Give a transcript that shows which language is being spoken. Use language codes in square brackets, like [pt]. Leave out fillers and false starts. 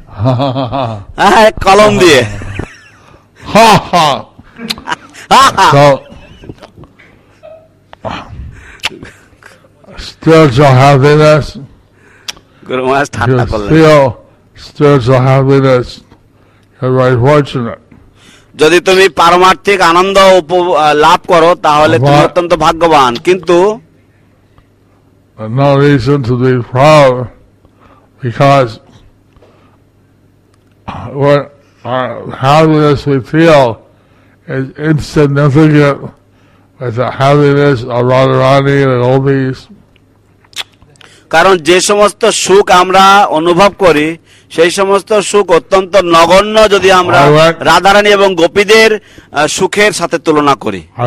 [en] Ha ha ha. Ha kalam diye. Ha ha. Ha ha. Spiritual happiness. Guru Maharaj [bn] thatta korle. [en] Feel spiritual happiness. You're very fortunate. [bn] যদি তুমি পারমার্থিক আনন্দ লাভ করো তাহলে তুমি অত্যন্ত ভাগ্যবান কিন্তু [en] no reason to be proud because what our happiness we feel is insignificant with the happiness of Radharani and the gopis. [bn] কারণ যে সমস্ত সুখ আমরা অনুভব করি সেই সমস্ত সুখ অত্যন্ত নগণ্য যদি আমরা রাধারানী এবং গোপীদের সুখের সাথে তুলনা করি.